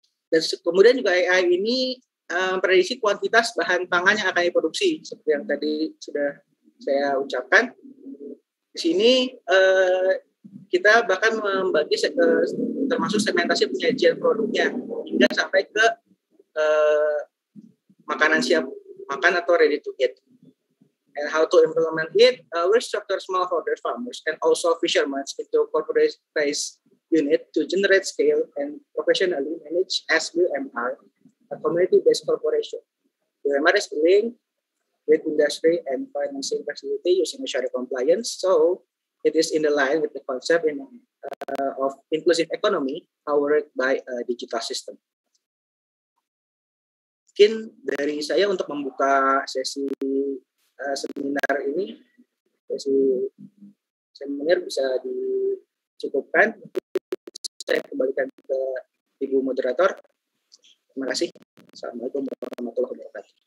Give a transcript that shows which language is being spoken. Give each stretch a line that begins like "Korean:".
Indonesian: Dan kemudian juga AI ini prediksi kuantitas bahan pangan yang akan diproduksi, seperti yang tadi sudah saya ucapkan. Di sini kita bahkan membagi termasuk segmentasi penyajian produknya hingga sampai ke makanan siap makan atau
English: ready to eat. And how to implement it, we structure smallholder farmers and also fishermen into corporate-based unit to generate scale and professionally manage as UMR, a community-based corporation. UMR is dealing with industry and financing facility using Sharia compliance, so it is in the line with the concept in, of inclusive economy powered by a digital system.
Indonesian: Mungkin dari saya untuk membuka sesi seminar ini, sesi seminar bisa dicukupkan. Saya kembalikan ke Ibu Moderator. Terima kasih. Assalamualaikum warahmatullahi wabarakatuh.